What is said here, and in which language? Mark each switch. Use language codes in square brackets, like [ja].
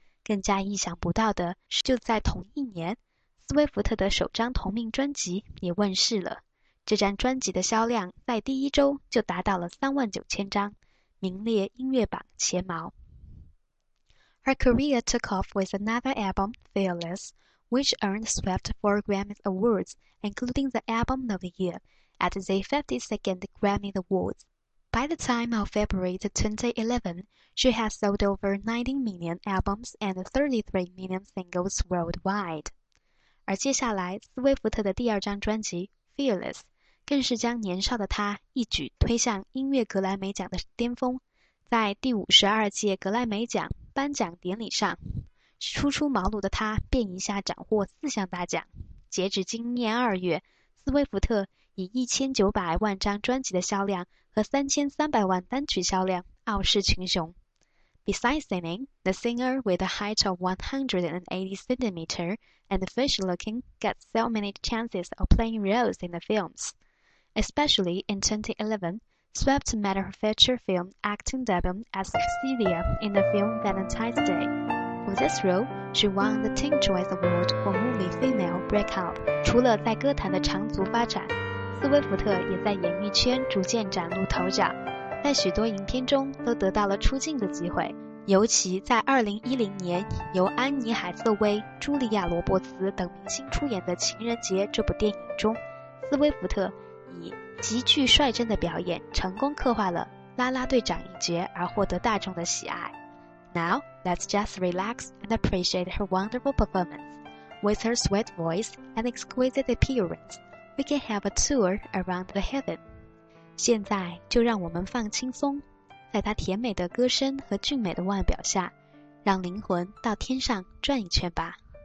[zh] 更加意想不到的是，就在同一年，斯威夫特的首张同名专辑也问世了。这张专辑的销量在第一周就达到了39,000张，名列音乐榜前茅。 [en] Her career took off with another album, Fearless,which earned Swift 4 Grammy Awards, including the Album of the Year, at the 52nd Grammy Awards. By the time of February 2011, she has sold over 19 million albums and 33 million singles worldwide. [zh] 而接下来，斯威夫特的第二张专辑《Fearless》更是将年少的她一举推向音乐格莱美奖的巅峰，在第52届格莱美奖颁奖典礼上。初出茅庐的他便一下斩获四项大奖。截止今年二月，斯威夫特以1,900,000张专辑的销量和3,300,000单曲销量傲视群雄。 [en] Besides singing, the singer with a height of 180 centimeters and facial looking gets so many chances of playing roles in the films. Especially in 2011, Swift made her feature film acting debut as Cecilia in the film Valentine's Day. For this role, she won the Teen Choice Award for Movie Female Breakout. [zh] 除了在歌坛的长足发展，斯威夫特也在演艺圈逐渐崭露头角，在许多影片中都得到了出镜的机会。尤其在2010年由安妮·海瑟薇、茱莉亚·罗伯茨等明星出演的《情人节》这部电影中，斯威夫特以极具率真的表演成功刻画了拉拉队长一角，而获得大众的喜爱。 [en] Now, let's just relax and appreciate her wonderful performance. With her sweet voice and exquisite appearance, we can have a tour around the heaven. [zh] 现在就让我们放轻松，在她甜美的歌声和俊美的外表下，让灵魂到天上转一圈吧。